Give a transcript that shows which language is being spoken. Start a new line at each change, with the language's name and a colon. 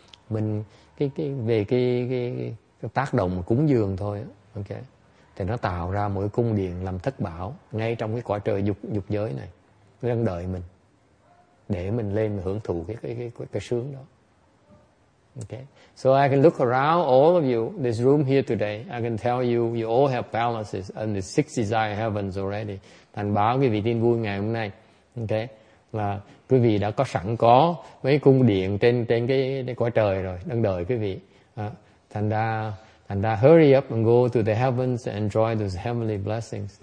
Vietnamese: Mình cái tác động cúng dường thôi, okay, thì nó tạo ra một cung điện làm thất bảo ngay trong cái quả trời dục giới này đang đợi mình để mình lên hưởng thụ cái sướng đó.
English: Okay, so I can look around all of you, this room here today, I can tell you, you all have palaces in the six desire heavens already.
Vietnamese: Thành báo quý vị tin vui ngày hôm nay, okay, là quý vị đã có sẵn có mấy cung điện trên cái quả trời rồi đang đợi quý vị. Thành ra
English: hurry up and go to the heavens and enjoy those heavenly blessings.